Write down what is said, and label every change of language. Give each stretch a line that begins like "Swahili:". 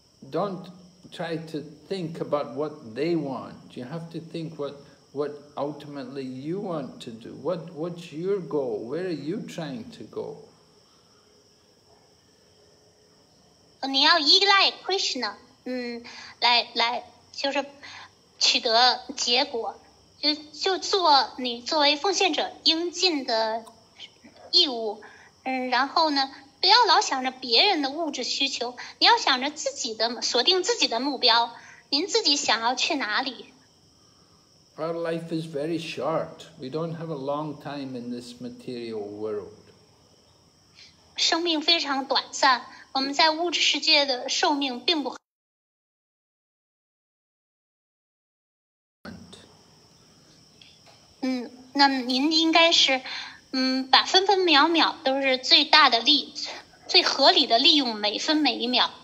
English: Don't try to think about what they want. You have to think what ultimately you want to do, what's your goal, where are you trying to go?
Chinese: 你要依赖 Krishna, 来就是取得结果，就做你作为奉献者应尽的义务，然后呢，不要老想着别人的物质需求，你要想着自己的，锁定自己的目标，您自己想要去哪里。
English: Our life is very short. We don't have a long time in this material world.
Chinese: 生命非常短暂，我们在物质世界的寿命并不很。那您应该是，把分分秒秒都是最大的利，最合理的利用每分每一秒。